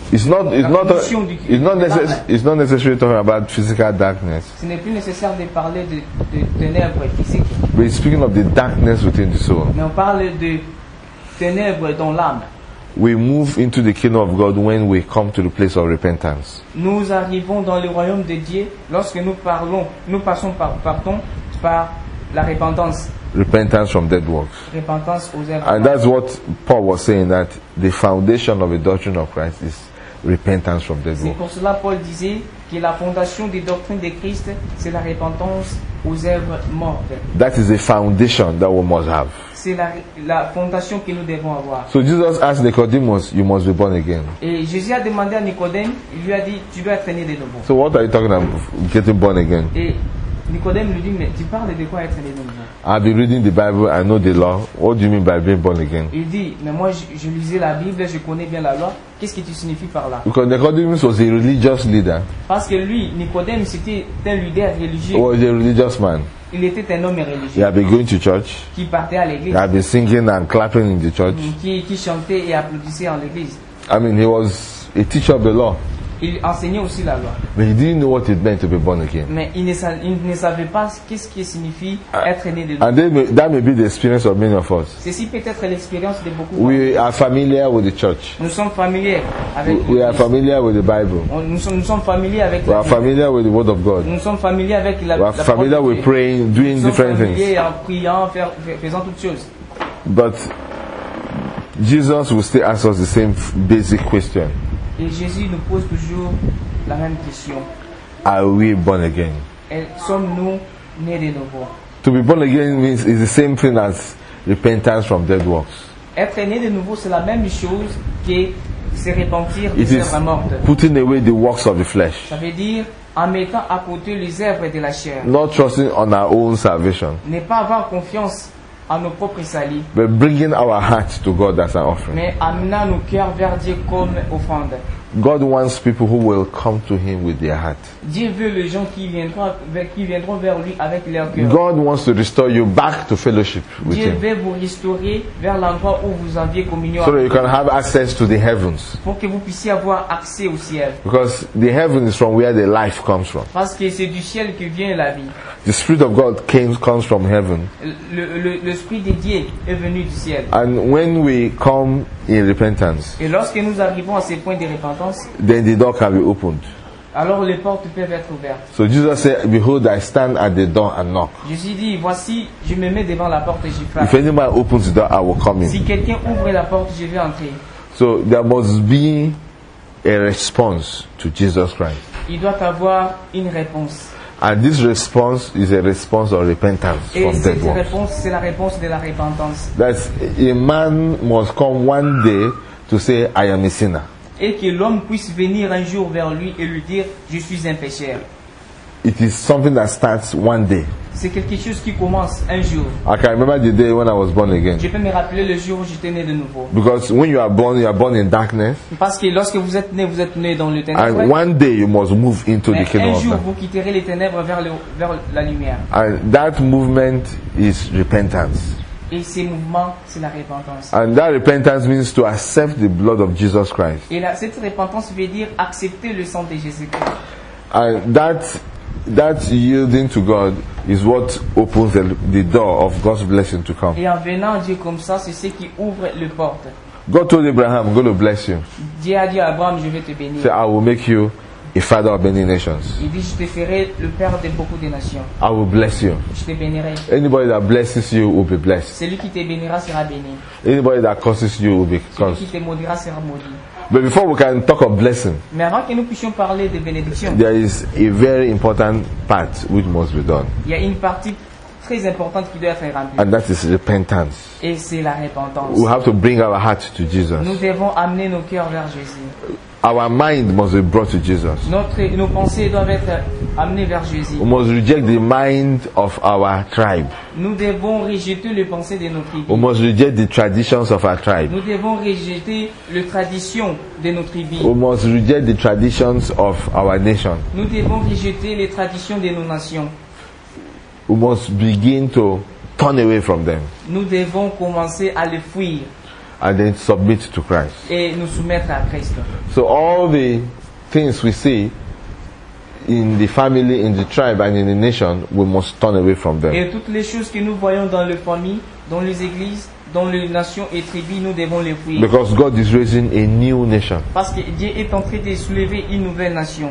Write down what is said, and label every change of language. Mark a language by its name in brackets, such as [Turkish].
[English] It's not necessary to talk about physical darkness. [French] Ce n'est plus nécessaire de parler de ténèbres physiques. [English] But it's speaking of the darkness within the soul. [French] Mais on parle de ténèbres dans l'âme. [English] We move into the kingdom of God when we come to the place of repentance. [French] Nous arrivons dans le royaume de Dieu lorsque nous passons par la repentance. [English] Repentance from dead works. [French] Repentance aux œuvres. [English] And that's what Paul was saying, that the foundation of the doctrine of Christ is repentance from dead works. [French] C'est pour cela Paul disait que la fondation des doctrines de Christ c'est la repentance aux œuvres mortes. [English] That is the foundation that we must have. [French] C'est la fondation que nous devons avoir. [English] So Jesus asked Nicodemus, "You must be born again." [French] Et Jésus a demandé à Nicodème, il lui a dit, tu dois être né de nouveau. [English] So what are you talking about, getting born again? [French] Et Nicodème lui dit, mais tu parles de quoi être né de nouveau? [English] I've been reading the Bible, I know the law. What do you mean by being born again? [French] Il dit, mais moi je lisais la Bible, je connais bien la loi. Qu'est-ce que tu signifies par là? [English] Because Nicodemus was a religious leader. [French] Parce que lui, Nicodème, c'était un leader religieux. [English] He was a religious man. [French] Il était un homme religieux. [English] He had been going to church. [French] Qui partait à l'église. [English] He had been singing and clapping in the church. [French] Qui chantait et applaudissait en l'église. [English] I mean, he was a teacher of the law. [French] Il enseignait aussi la loi. [English] But he didn't know what it meant to be born again. [French] Mais il ne savait pas qu'est-ce qui signifie être né de nouveau. [English] And that may be the experience of many of us. [French] Ceci peut être l'expérience de beaucoup. [English] We are familiar with the church. [French] Nous sommes familiers avec. [English] We are familiar with the Bible. [French] Nous sommes familiers avec. [English] We are familiar with the Word of God. [French] Nous sommes familiers avec la. [English] We are familiar with praying, doing different things. [French] Nous sommes familiers en priant, faisant toutes choses. [English] But Jesus will still ask us the same basic question. [French] Et Jésus nous pose toujours la même question. [English] Are we born again? [French] Et sommes-nous nés de nouveau? [English] To be born again means it's the same thing as repentance from dead works. [French] Être né de nouveau, c'est la même chose que se repentir des œuvres mortes. [English] Putting away the works of the flesh. [French] Ça veut dire en mettant à côté les œuvres de la chair. [English] Not trusting on our own salvation. [French] Ne pas avoir confiance à nos propres salis. [English] But bringing our hearts to God as an offering. [French] Mais amenant nos cœurs vers Dieu comme offrande. [English] God wants people who will come to Him with their heart. [French] Dieu veut les gens qui viendront vers lui avec leur cœur. [English] God wants to restore you back to fellowship with [French] Dieu [English] Him. [French] Dieu veut vous restaurer vers l'endroit où vous aviez communion. [English] So that you can have access to the heavens. [French] Pour que vous puissiez avoir accès au ciel. [English] Because the heaven is from where the life comes from. [French] Parce que c'est du ciel que vient la vie. [English] The Spirit of God comes from heaven. [French] L'esprit de Dieu est venu du ciel. [English] And when we come in repentance. [French] Et lorsque nous arrivons à ce point de repentance, [English] then the door can be opened. [French] Alors les portes peuvent être ouvertes. [English] So Jesus said, "Behold, I stand at the door and knock." [French] Jésus dit, voici, je me mets devant la porte et je frappe. [English] If anyone opens the door, I will come in. [French] Si quelqu'un ouvre la porte, je vais entrer. [English] So there must be a response to Jesus Christ. [French] Il doit avoir une réponse. [English] And this response is a response of repentance [French] et [English] from dead works. [French] Réponse, c'est la réponse de la repentance. [English] That a man must come one day to say, "I am a sinner." [French] Et que l'homme puisse venir un jour vers lui et lui dire, "Je suis un pécheur." [English] It is something that starts one day. [French] C'est quelque chose qui commence un jour. [English] I can remember the day when I was born again. [French] Je peux me rappeler le jour où j'étais né de nouveau. [English] Because when you are born in darkness. [French] Parce que lorsque vous êtes né dans le ténèbres. [English] And one day you must move into [French] Mais [English] the kingdom. [French] Un jour vous quitterez les ténèbres vers la lumière. [English] And that movement is repentance. [French] Et ce mouvement, c'est la repentance. [English] And that repentance means to accept the blood of Jesus Christ. [French] Et là, cette repentance veut dire accepter le sang de Jésus-Christ. [English] And that yielding to God is what opens the door of God's blessing to come. [French] Et en venant à Dieu comme ça, c'est ce qui ouvre le porte. [English] God told Abraham, "I'm going to bless you." [French] Dieu a dit à Abraham, je vais te bénir. [English] So I will make you a father of many nations. [French] Il dit, je te ferai le père de beaucoup de nations. [English] I will bless you. [French] Je te bénirai. [English] Anybody that blesses you will be blessed. [French] Celui qui te bénira sera béni. [English] Anybody that curses you will be cursed. [French] Celui qui te maudira sera maudit. [English] But before we can talk of blessing, [French] mais avant que nous puissions parler de bénédiction, [English] there is a very important part which must be done. [French] Il y a une partie très importante qui doit être remplie. [English] And that is repentance. [French] Et c'est la repentance. [English] We have to bring our hearts to Jesus. [French] Nous devons amener nos cœurs vers Jésus. [English] Our mind must be brought to Jesus. [French] Nos pensées doivent être amenées vers Jésus. [English] We must reject the mind of our tribe. [French] Nous devons rejeter les pensées de nos tribus. [English] We must reject the traditions of our tribe. [French] Nous devons rejeter les traditions de nos tribus. [English] We must reject the traditions of our nation. [French] Nous devons rejeter les traditions de nos nations. [English] We must begin to turn away from them. [French] Nous devons commencer à les fuir. [English] And then submit to Christ. [French] Et nous soumettre à Christ. [English] So all the things we see in the family, in the tribe, and in the nation, we must turn away from them. [French] Et toutes les choses que nous voyons dans les familles, dans les églises, dans les nations et tribus, nous devons les fuir. [English] Because God is raising a new nation. [French] Parce que Dieu est en train de soulever une nouvelle nation.